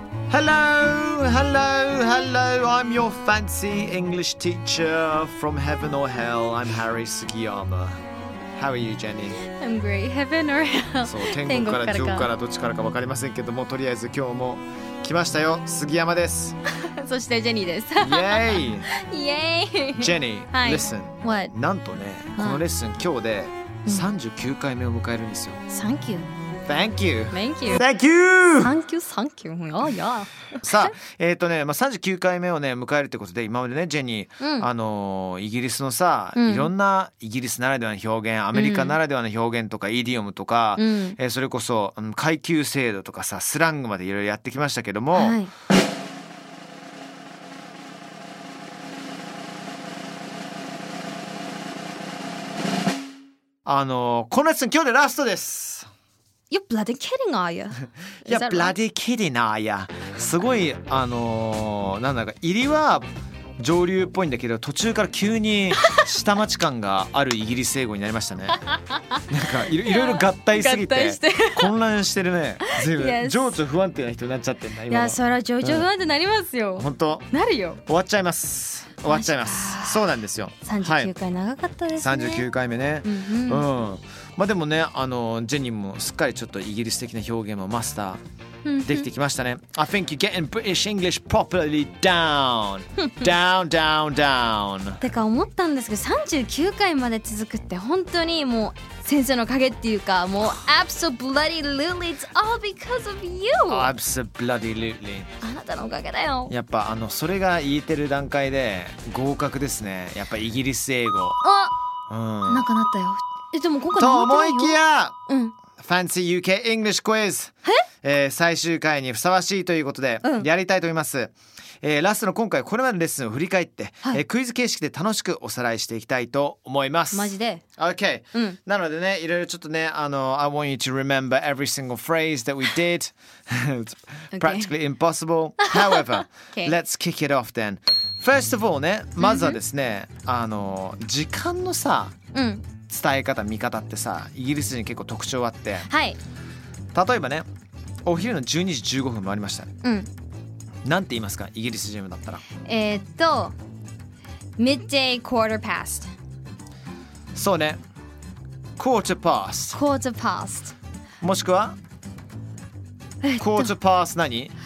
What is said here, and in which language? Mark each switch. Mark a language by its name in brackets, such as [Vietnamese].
[English] Hello, hello, hello. I'm your fancy English teacher from heaven or hell. I'm Harry Sugiyama. How are you, Jenny? I'm great. Heaven or hell? [Japanese] そう、天国から地獄からどっちからか分かりませんけども、とりあえず今日も来ましたよ。杉山です。そしてジェニーです。 [English] Yay! Yay! Jenny, listen. What? [Japanese] なんとね、このレッスン今日で39回目を迎えるんですよ。 [English] Thank you. Thank you. Thank you. Thank you. Thank you. Thank you. Thank you. Oh, yeah. [Japanese] さあ、まあ、39回目をね迎えるってことで、今までねジェニー、イギリスのさ、いろんなイギリスならではの表現、アメリカならではの表現とか、イディオムとか、それこそ階級制度とかさ、スラングまでいろいろやってきましたけども、このやつ今日でラストです。 [English] You're bloody kidding, are you? You're bloody kidding, are you? [Japanese] すごい、なんだか入りは上流っぽいんだけど、途中から急に下町感があるイギリス英語になりましたね。なんかいろいろ合体すぎて、合体して混乱してるね。ずいぶん情緒不安定な人になっちゃってんだ今。いや、そら情緒不安定になりますよ。本当。なるよ。終わっちゃいます。終わっちゃいます。そうなんですよ。 39回長かったですね。 39回目ね。うん、うん。うん、まあ、でもね、ジェニーもすっかりちょっとイギリス的な表現もマスターできてきましたね。 [English] I think you're getting British English properly down. Down, down, down. [Japanese] てか思ったんですけど、39回まで続くって本当にもう先生の影っていうか、もう [English] Absolutely, it's all because of you. Absolutely. [Japanese] あなたのおかげだよ。やっぱそれが言えてる段階で合格ですね。やっぱイギリス英語。あ、なくなったよ。でも今回と思いきや、うん、 Fancy UK English Quiz、最終回にふさわしいということで、やりたいと思います、ラストの今回これまでのレッスンを振り返って、クイズ形式で楽しくおさらいしていきたいと思います。マジで [English] OK、 [Japanese] なのでね、いろいろちょっとね、 [English] I want you to remember every single phrase that we did. It's practically impossible. However, let's kick it off then. First of all [Japanese] ね、まずはですね、時間のさ、伝え方見方ってさ、イギリス人結構特徴あって、はい、例えばね、お昼の12時15分もありました、なんて言いますか、イギリス人だったら。 [English] midday quarter past。そうね、 quarter past。 quarter past。 [Japanese] もしくは、 [English] quarter past [Japanese] 何？